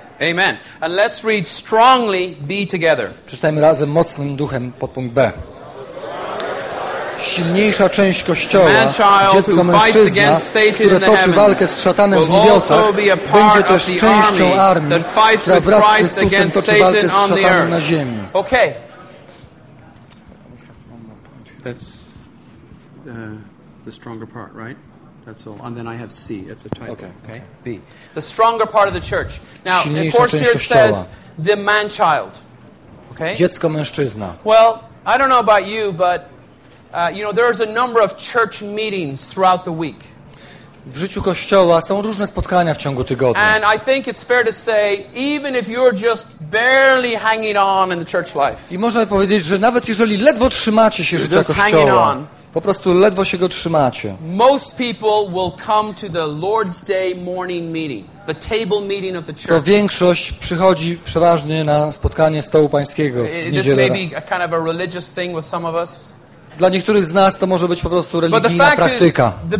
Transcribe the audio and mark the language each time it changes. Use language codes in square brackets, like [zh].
[en] Amen. And let's read strongly B together. [pl] Przeczytajmy razem mocnym duchem podpunkt B. Silniejsza część Kościoła, dziecko mężczyzna, które toczy walkę z szatanem w niebiosach, będzie też częścią armii, która wraz z Chrystusem toczy walkę z szatanem na ziemi. [en] Okay. That's the stronger part, right? That's all. And then I have C. That's a title. Okay. B. The stronger part of the church. Now, of course, here it says the man-child. Okay. [pl] Dziecko mężczyzna. [en] Well, I don't know about you, but you know, there's a number of church meetings throughout the week. [pl] W życiu kościoła są różne spotkania w ciągu tygodnia. [en] And I think it's fair to say, even if you're just barely hanging on in the church life. [pl] I można powiedzieć, że nawet jeżeli ledwo trzymacie się życia kościoła, po prostu ledwo się go trzymacie. [en] Most people will come to the Lord's Day morning meeting, the table meeting of the church. [pl] To większość przychodzi przeważnie na spotkanie stołu pańskiego w niedzielę. [en] This may be a kind of a religious thing with some of us. [pl] Dla niektórych z nas to może być po prostu religijna praktyka.